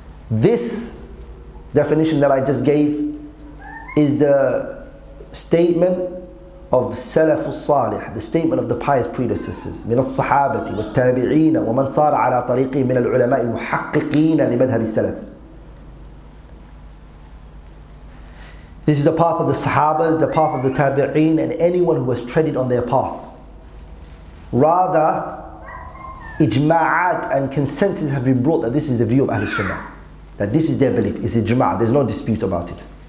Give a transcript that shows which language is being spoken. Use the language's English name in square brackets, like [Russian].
[English] This definition that I just gave is the statement of سلف الصالح, the statement of the pious predecessors. [Arabic] من الصحابة والتابعين ومن صار على طريقه من العلماء المحققين لمذهب السلف. [English] This is the path of the Sahabas, the path of the Tabi'een, and anyone who has treaded on their path. Rather, ijma'at and consensus have been brought that this is the view of Ahlul Sunnah. That this is their belief, it's ijma'at, there's no dispute about it.